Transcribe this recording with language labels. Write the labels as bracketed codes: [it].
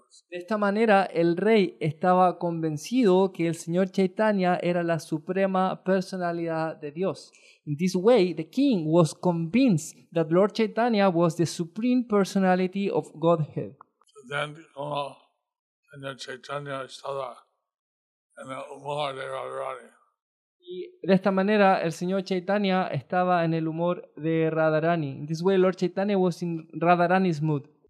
[es] De esta manera, el rey estaba convencido que el señor Chaitanya era la suprema personalidad de Dios. [en] In this way, the king was convinced that Lord Chaitanya was the supreme personality of Godhead. [es] Then, señor Chaitanya estaba en el humor de Radharani. Y de esta manera, el señor Chaitanya estaba en el humor de Radharani. [en] In this way, Lord Chaitanya was in Radharani's mood.